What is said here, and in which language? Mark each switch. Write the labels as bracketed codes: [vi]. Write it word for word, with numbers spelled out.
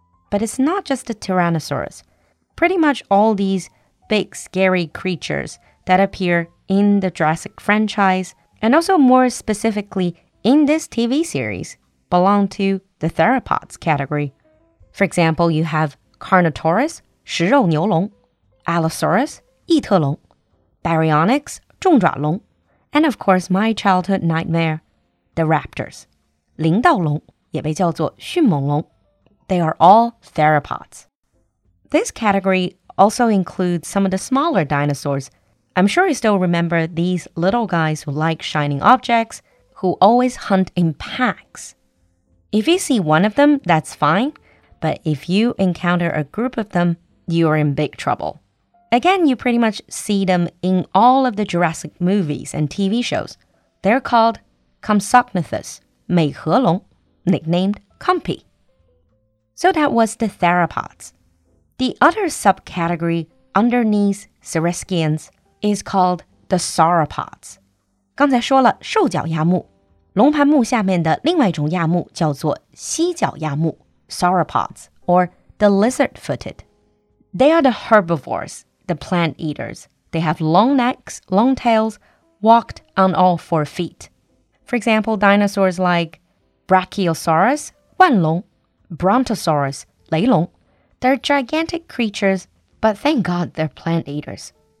[en] But it's not just the Tyrannosaurus. Pretty much all these big, scary creatures that appear in the Jurassic franchise, and also more specifically in this T V series, belong to the theropods category. For example, you have Carnotaurus, 食肉牛龙 Allosaurus, 异特龙 Baryonyx, 重爪龙 and of course my childhood nightmare, the raptors. [zh] 林盗龙也被叫做迅猛龙 [en] They are all theropods. This category also includes some of the smaller dinosaurs. I'm sure you still remember these little guys who like shining objects, who always hunt in packs. If you see one of them, that's fine, but if you encounter a group of them, you are in big trouble. Again, you pretty much see them in all of the Jurassic movies and T V shows. They're called Compsognathus, 美颌龙, nicknamed Compy. So that was the theropods. The other subcategory underneath Saurischians is called the sauropods. [zh] 刚才说了兽脚亚目龙盘目下面的另外一种亚目叫做蜥脚亚目 sauropods, [en] or the lizard-footed. They are the herbivores, the plant eaters. They have long necks, long tails, walked on all four feet. For example, dinosaurs like Brachiosaurus, 腕龙 Brontosaurus, 雷龙 They're gigantic creatures, but thank God they're plant eaters.